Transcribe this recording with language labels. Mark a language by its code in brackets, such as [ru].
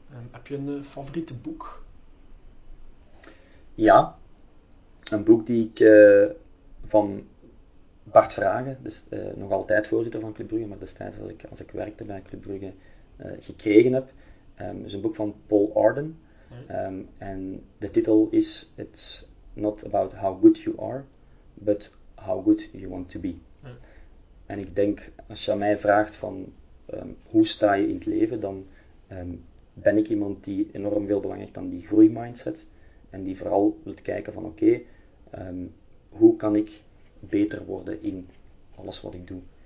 [nl] Heb je een favoriete boek? Ja, een boek die ik van Bart Vragen, dus nog altijd voorzitter van Club Brugge, maar destijds als ik werkte bij Club Brugge, gekregen heb. Is een boek van Paul Arden. En de titel is [en] It's not about how good you are, but how good you want to be. [nl] En ik denk, als je mij vraagt van hoe sta je in het leven, dan... ben ik iemand die enorm veel belang heeft aan die groeimindset en die vooral wil kijken van oké, hoe kan ik beter worden in alles wat ik doe.